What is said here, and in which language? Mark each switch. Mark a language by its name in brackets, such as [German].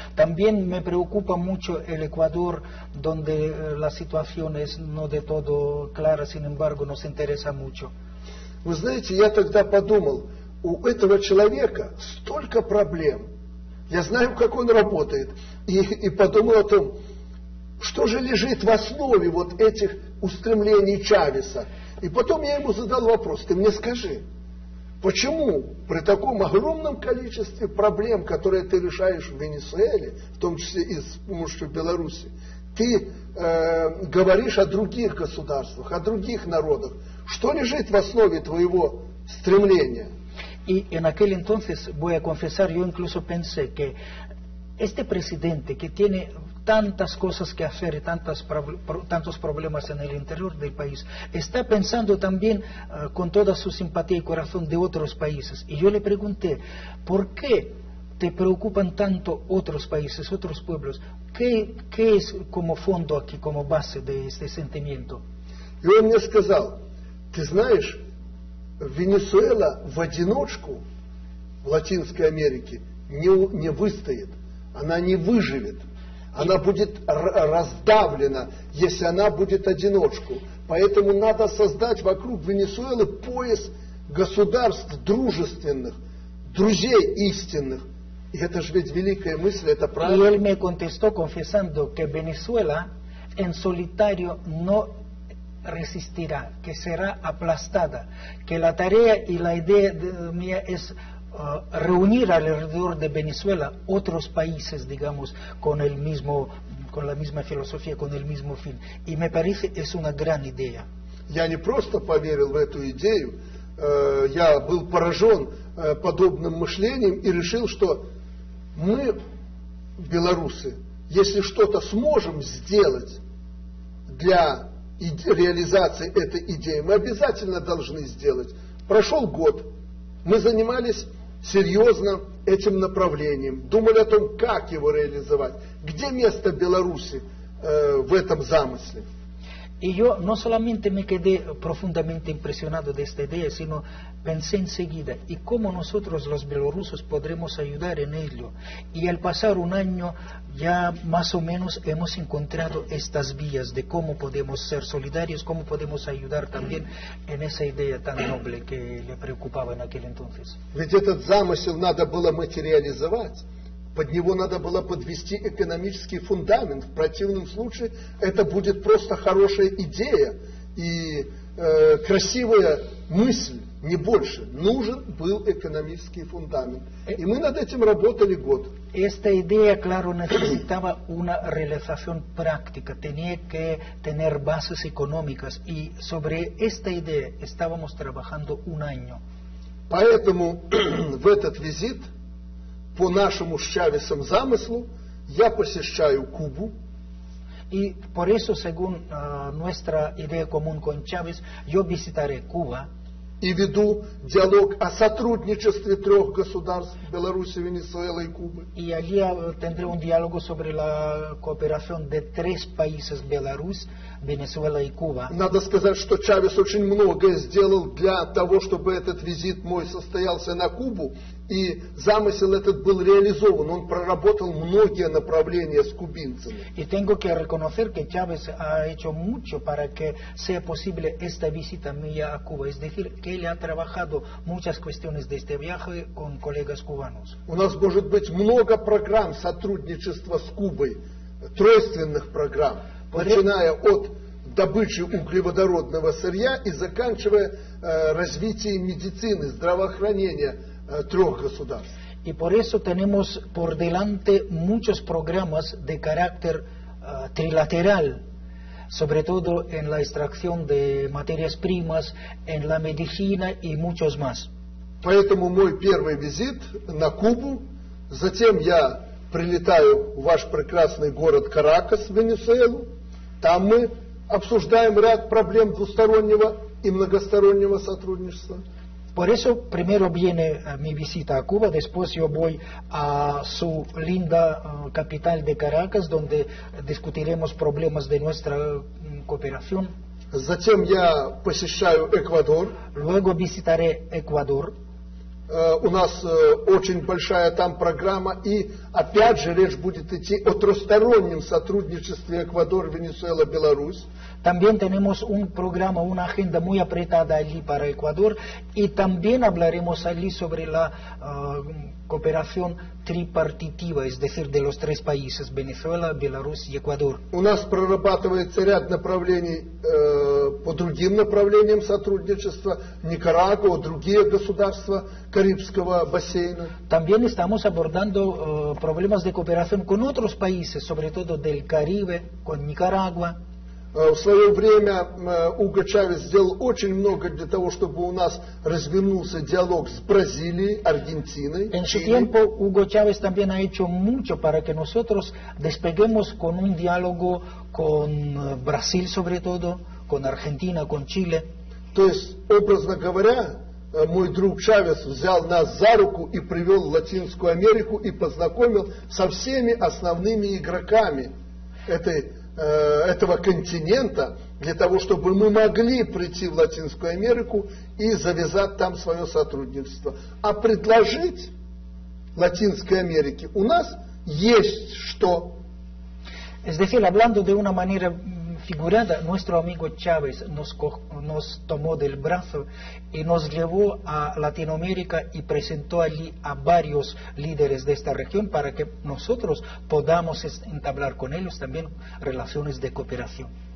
[Spanish] También me preocupa mucho el Ecuador, donde la situación es no de todo clara, sin embargo, nos interesa mucho. [Russian] Вы знаете, я тогда подумал, у этого человека столько проблем. Я знаю, как он работает. И подумал о том, что же лежит в основе вот этих устремлений Чавеса. И потом я ему задал вопрос, ты мне скажи, почему при таком огромном количестве проблем, которые ты решаешь в Венесуэле, в том числе и с помощью Беларуси, ты говоришь о других государствах, о других народах. Что лежит в основе твоего стремления? И [Spanish] en aquel entonces voy a confesar, yo incluso pensé que este presidente que tiene tantas cosas que hacer y tantos problemas en el interior del país, está pensando también con toda su simpatía y corazón de otros países. Y yo le pregunté, ¿por qué te preocupan tanto otros países, otros pueblos? ¿Qué es como fondo aquí, como base de este sentimiento? Y él me [Russian] сказал, ты знаешь, Венесуэла в одиночку в Латинской Америке не выстоит, она не выживет, она будет раздавлена, если она будет одиночку. Поэтому надо создать вокруг Венесуэлы пояс государств дружественных, друзей истинных. И это же ведь великая мысль, это правильно. [Spanish] Y él me contestó confesando que Venezuela en solitario no resistirá, que será aplastada, que la tarea y la idea mía es reunir alrededor de Venezuela otros países, digamos, con la misma filosofía, con el mismo fin. Y me parece es una gran idea. [Russian] Я не просто поверил в эту идею, я был поражен подобным мышлением и решил, что мы, белорусы, если что-то сможем сделать для реализации этой идеи, мы обязательно должны сделать. Прошел год, мы занимались серьезно этим направлением, думали о том, как его реализовать, где место Беларуси в этом замысле. И я не [Spanish] solamente me quedé profundamente impresionado de esta idea, sino pensé enseguida, ¿y cómo nosotros los belorrusos podremos ayudar en ello? Y al pasar un año ya más o menos hemos encontrado estas vías de cómo podemos ser solidarios, cómo podemos ayudar también en esa idea tan noble que le preocupaba en aquel entonces. [Russian] Ведь этот замысел надо было материализовать, под него надо было подвести экономический фундамент, в противном случае это будет просто хорошая идея и красивая мысль. Не больше. Нужен был экономический фундамент. И мы над этим работали год. Эта идея, [Spanish] claro, necesitaba una realización práctica. Tenía que tener bases económicas. Y sobre esta idea estábamos trabajando un año. [Russian] Поэтому в этот визит, по нашему с Чавесом замыслу, я посещаю Кубу. [Spanish] Y por eso, según nuestra idea común con Chávez, yo visitaré Cuba. [Russian] И веду диалог о сотрудничестве трех государств Беларуси, Венесуэлы и Кубы. И [Spanish] allí tendré un diálogo sobre la cooperación de tres países: [Russian] Беларусь, Венесуэла и Куба. Надо сказать, что Чавес очень многое сделал для того, чтобы этот визит мой состоялся на Кубу, и замысел этот был реализован. Он проработал многие направления с кубинцами. И [Spanish] tengo que reconocer que Chávez ha hecho mucho para que sea posible esta visita mía a Cuba. Es decir, que él ha trabajado muchas cuestiones de este viaje con colegas cubanos. [Russian] У нас может быть много программ сотрудничества с Кубой, тройственных программ. Начиная от добычи углеводородного сырья и заканчивая развитием медицины, здравоохранения трех государств. И [Spanish] por eso tenemos por delante muchos programas de carácter trilateral, sobre todo en la extracción de materias primas, en la medicina y muchos más. [Russian] Поэтому мой первый визит на Кубу, затем я прилетаю в ваш прекрасный город Каракас, Венесуэлу. Там мы обсуждаем ряд проблем двустороннего и многостороннего сотрудничества. [Spanish] Por eso primero viene mi visita a Cuba, después yo voy a su linda capital de Caracas, donde discutiremos problemas de nuestra cooperación. [Russian] Затем я посещаю Эквадор. [Spanish] Luego visitaré Ecuador. [Russian] У нас очень большая там программа, и опять же речь будет идти о тростороннем сотрудничестве Эквадор, Венесуэла, Беларусь. [Spanish] También tenemos un programa, una agenda muy apretada allí para Ecuador, y también hablaremos allí sobre la cooperación tripartitiva, es decir, de los tres países, Venezuela, Belarus y Ecuador. [Russian] У нас прорабатывается ряд направлений по другим направлениям сотрудничества, Никарагуа, другие государства Карибского бассейна. [Spanish] También estamos abordando problemas de cooperación con otros países, sobre todo del Caribe, con Nicaragua. [Russian] В свое время Уго Чавес сделал очень много для того, чтобы у нас развернулся диалог с Бразилией, Аргентиной. [Spanish] En su tiempo, Уго Чавес también ha hecho mucho para que nosotros despeguemos con un diálogo con Brasil, sobre todo, con Argentina, con Chile. [Russian] То есть, образно говоря, мой друг Чавес взял нас за руку и привел в Латинскую Америку и познакомил со всеми основными игроками этой этого континента для того, чтобы мы могли прийти в Латинскую Америку и завязать там свое сотрудничество. А предложить Латинской Америке у нас есть что. [Spanish] Es decir, hablando de una manera figurada, nuestro amigo Chávez nos tomó del brazo y nos llevó a Latinoamérica y presentó allí a varios líderes de esta región para que nosotros podamos entablar con ellos también relaciones de cooperación.